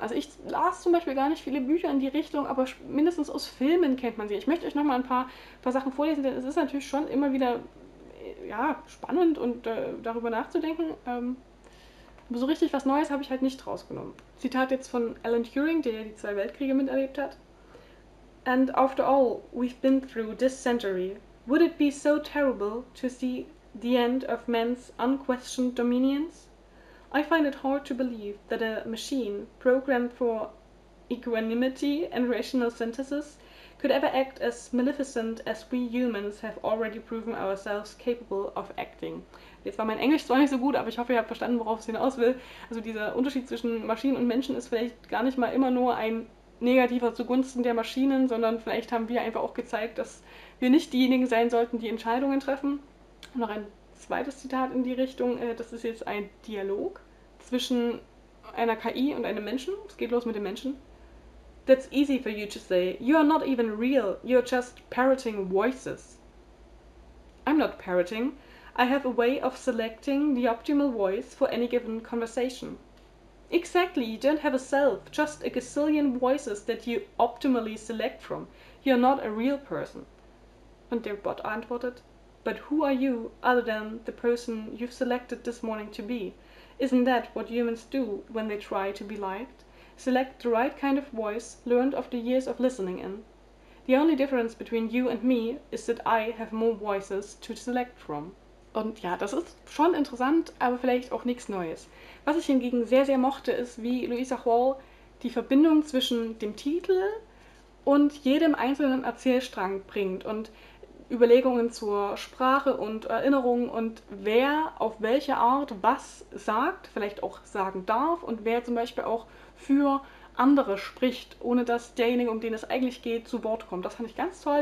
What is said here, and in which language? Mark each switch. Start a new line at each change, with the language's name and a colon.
German: Also ich las zum Beispiel gar nicht viele Bücher in die Richtung, aber mindestens aus Filmen kennt man sie. Ich möchte euch nochmal ein paar Sachen vorlesen, denn es ist natürlich schon immer wieder, ja, spannend und darüber nachzudenken. Aber so richtig was Neues habe ich halt nicht rausgenommen. Zitat jetzt von Alan Turing, der ja die zwei Weltkriege miterlebt hat.
English: And after all we've been through this century, would it be so terrible to see the end of man's unquestioned dominions? I find it hard to believe that a machine programmed for equanimity and rational synthesis could ever act as maleficent as we humans have already proven ourselves capable of acting.
German: Jetzt war mein Englisch zwar nicht so gut, aber ich hoffe, ihr habt verstanden, worauf es hinaus will. Also dieser Unterschied zwischen Maschinen und Menschen ist vielleicht gar nicht mal immer nur ein negativer zugunsten der Maschinen, sondern vielleicht haben wir einfach auch gezeigt, dass wir nicht diejenigen sein sollten, die Entscheidungen treffen. Noch ein zweites Zitat in die Richtung, das ist jetzt ein Dialog zwischen einer KI und einem Menschen. Es geht los mit dem Menschen.
English: That's easy for you to say. You are not even real. You're just parroting voices. I'm not parroting. I have a way of selecting the optimal voice for any given conversation. Exactly, you don't have a self, just a gazillion voices that you optimally select from. You're not a real person.
German: Und der Bot antwortet:
English: But who are you other than the person you've selected this morning to be? Isn't that what humans do when they try to be liked? Select the right kind of voice learned after years of listening in. The only difference between you and me is that I have more voices to select from.
German: Und ja, das ist schon interessant, aber vielleicht auch nichts Neues. Was ich hingegen sehr, sehr mochte, ist, wie Louisa Hall die Verbindung zwischen dem Titel und jedem einzelnen Erzählstrang bringt und Überlegungen zur Sprache und Erinnerungen und wer auf welche Art was sagt, vielleicht auch sagen darf und wer zum Beispiel auch für andere spricht, ohne dass derjenige, um den es eigentlich geht, zu Wort kommt. Das fand ich ganz toll.